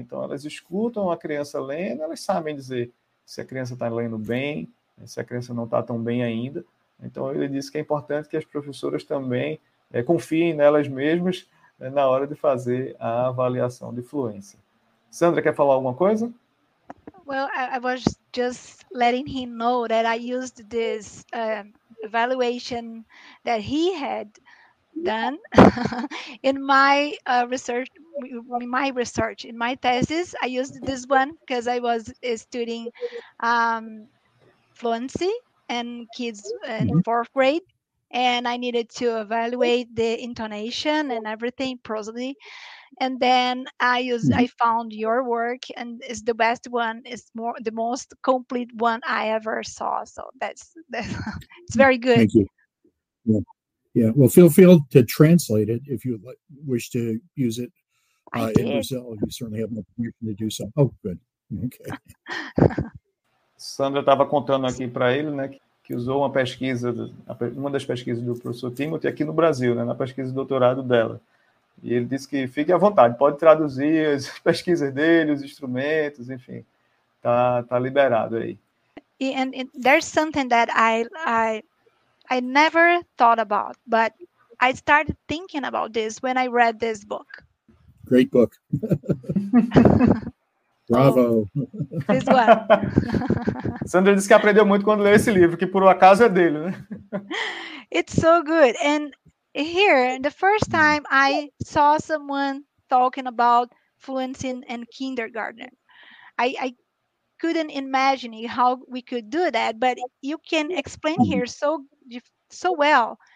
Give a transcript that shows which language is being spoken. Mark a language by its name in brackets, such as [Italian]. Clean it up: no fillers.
[Portuguese] Então, elas escutam a criança lendo, elas sabem dizer se a criança está lendo bem, se a criança não está tão bem ainda. Então, ele disse que é importante que as professoras também confiem nelas mesmas na hora de fazer a avaliação de fluência. Sandra, quer falar alguma coisa? [English] Well, I was just letting him know that I used this evaluation that he had done in my research. In my thesis, I used this one because I was studying fluency and kids in fourth grade, and I needed to evaluate the intonation and everything prosody. And then I found your work, and it's the best one. It's more the most complete one I ever saw. So that's it's very good. Thank you. Yeah. Well, feel to translate it if you wish to use it. In Brazil, you certainly have no permission to do so. Oh, good. Okay. [Portuguese] Sandra estava contando aqui para ele, né, que usou uma das pesquisas do professor Timothy aqui no Brasil, né, na pesquisa de doutorado dela. E ele disse que fique à vontade, pode traduzir as pesquisas dele, os instrumentos, enfim, tá liberado aí. [English] And there's something that I never thought about, but I started thinking about this when I read this book. Great book. Bravo. This one. [Portuguese] Sandra disse que aprendeu muito quando leu esse livro, que por um acaso é dele, né? [English] It's so good. And here, the first time I saw someone talking about fluency in kindergarten, I couldn't imagine how we could do that, but you can explain here so well.